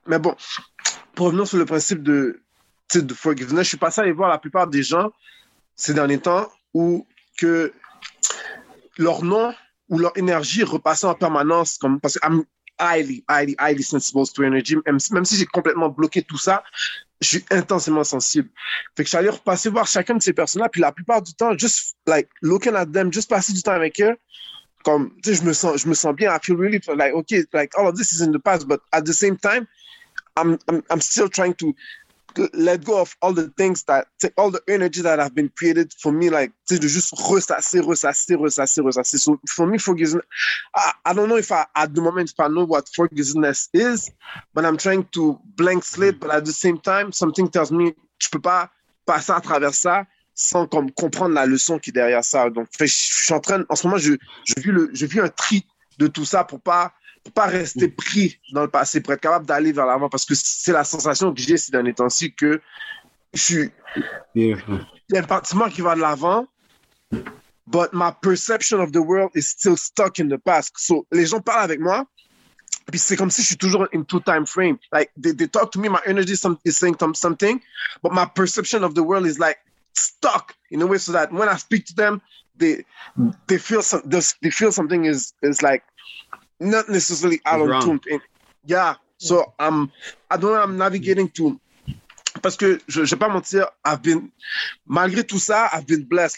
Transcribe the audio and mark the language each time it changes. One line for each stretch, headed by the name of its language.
French: Mais bon, pour revenir sur le principe de forgiveness, je suis passé à aller voir la plupart des gens ces derniers temps où que leur nom ou leur énergie repassait en permanence, comme parce que
English: I'm highly sensible to energy,
French: même si j'ai complètement bloqué tout ça. Je suis intensément sensible. Fait que j'allais repasser voir chacun de ces personnes-là, puis la plupart du temps, juste
English: like looking at them,
French: juste passer du temps avec eux, comme tu sais, je me sens bien.
English: I feel relief. Like okay, like all of this is in the past, but at the same time, I'm still trying to let go of all the things that all the energy that have been created for me.
French: Like tu sais, de juste ressasser.
English: So for me, forgiveness. I don't know if I at the moment if I know what forgiveness is, but I'm trying to blank slate. But at the same time, something tells me
French: je peux pas passer à travers ça sans comme comprendre la leçon qui est derrière ça. Donc je suis en train en ce moment je vis un tri de tout ça pour pas rester pris dans le passé, pour être capable d'aller vers l'avant, parce que c'est la sensation que j'ai ces derniers temps-ci que J'ai un bâtiment qui va de l'avant,
English: but my perception of the world is still stuck in the past.
French: So les gens parlent avec moi, puis c'est comme si je suis toujours
English: in two time frame. Like they talk to me, my energy is saying something, but my perception of the world is like stuck in a way so that when I speak to them, they feel something is like not necessarily out of tune. Yeah, so I'm navigating to.
French: Parce que je vais pas mentir,
English: I've been,
French: malgré tout ça,
English: I've been blessed.